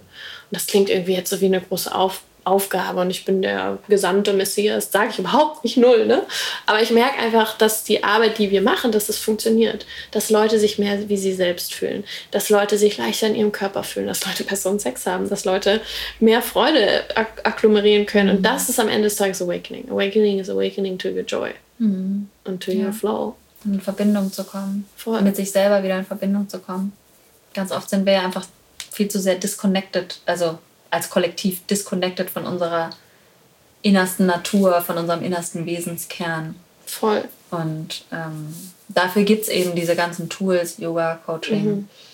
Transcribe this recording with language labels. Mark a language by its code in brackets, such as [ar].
[de] Und das klingt irgendwie jetzt so wie eine große Aufgabe und ich bin der gesamte Messias, sage ich überhaupt nicht null, ne? Aber ich merke einfach, dass die Arbeit, die wir machen, dass das funktioniert, dass Leute sich mehr wie sie selbst fühlen, dass Leute sich leichter in ihrem Körper fühlen, dass Leute besseren Sex haben, dass Leute mehr Freude agglomerieren können und das ist am Ende des Tages Awakening. [en] Awakening is awakening to your joy and to your flow. [de] In Verbindung zu kommen, mit sich selber wieder in Verbindung zu kommen. Ganz oft sind wir ja einfach viel zu sehr disconnected, also als Kollektiv disconnected von unserer innersten Natur, von unserem innersten Wesenskern. Voll. Und dafür gibt es eben diese ganzen Tools, Yoga, Coaching. Mhm.